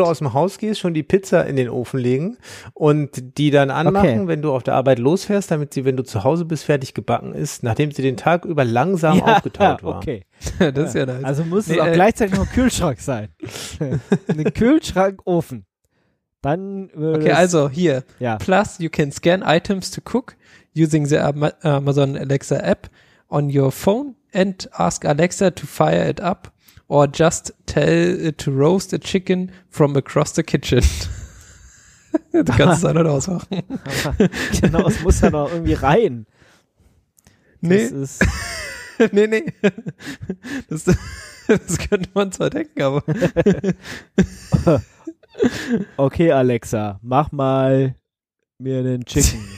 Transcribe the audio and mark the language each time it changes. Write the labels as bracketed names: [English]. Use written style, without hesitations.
[German] du aus dem Haus gehst, schon die Pizza in den Ofen legen und die dann anmachen, okay, wenn du auf der Arbeit losfährst, damit sie, wenn du zu Hause bist, fertig gebacken ist, nachdem sie den Tag über langsam aufgetaut war. Okay. Das ist ja nice. Also muss es auch gleichzeitig noch ein Kühlschrank sein. Ein Kühlschrankofen. Dann würde okay, also hier. Ja. [English] Plus, you can scan items to cook using the Amazon Alexa app on your phone and ask Alexa to fire it up. Or just tell it to roast a chicken from across the kitchen. [German] Du kannst es einfach ausmachen. Genau, es muss ja noch irgendwie rein. Nee. Das ist nee. Das könnte man zwar denken, aber. Okay, Alexa, mach mal mir einen Chicken.